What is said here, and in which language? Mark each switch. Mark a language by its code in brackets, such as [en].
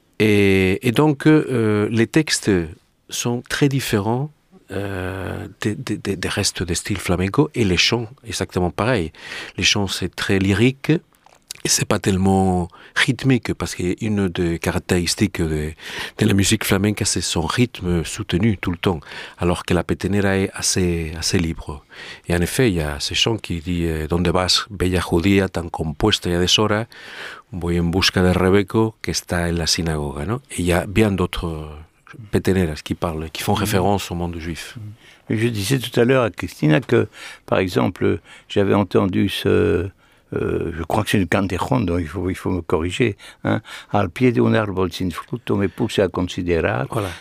[fr] Et donc, les textes sont très différents des restes des styles flamenco et les chants, exactement pareil. Les chants, c'est très lyrique. C'est pas tellement rythmique, parce qu'une des caractéristiques de la musique flamenca, c'est son rythme soutenu tout le temps, alors que la petenera est assez libre. Et en effet, il y a ce chant qui dit « [es] Donde vas, bella judía, tan compuesta y a deshora, voy en busca de Rebeco, que está en la sinagoga ¿no? ». [fr] Et il y a bien d'autres peteneras qui font référence au monde juif. Je disais tout à l'heure à Christina que, par exemple, j'avais entendu ce... je crois que c'est le Canterron, donc il faut me corriger. [es] Hein. Al pie de un árbol sin fruto me puse a considerar [fr] voilà.